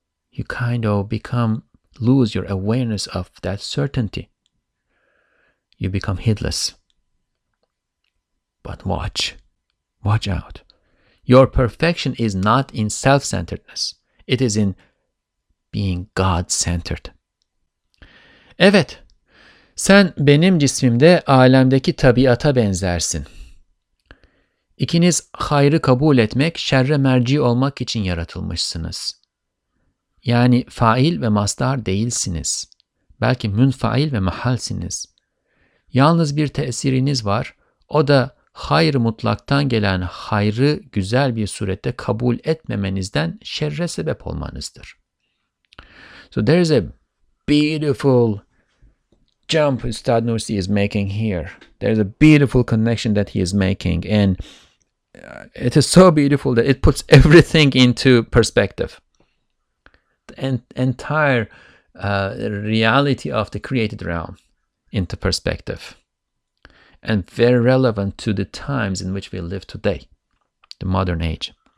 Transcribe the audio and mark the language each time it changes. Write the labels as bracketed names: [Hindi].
[English] You kind of lose your awareness of that certainty. You become heedless. But watch out. Your perfection is not in self-centeredness. It is in being God-centered. [Turkish] Evet, sen benim cismimde alemdeki tabiata benzersin. İkiniz hayrı kabul etmek, şerre merci olmak için yaratılmışsınız. Yani fail ve mastar değilsiniz. Belki münfail ve mahalsiniz. Yalnız bir tesiriniz var. O da hayrı mutlaktan gelen hayrı güzel bir surette kabul etmemenizden şerre sebep olmanızdır. [English] So there is a beautiful jump Üstad Nursi is making here. There is a beautiful connection that he is making. And it is so beautiful that it puts everything into perspective. Entire reality of the created realm into perspective, and very relevant to the times in which we live today, the modern age.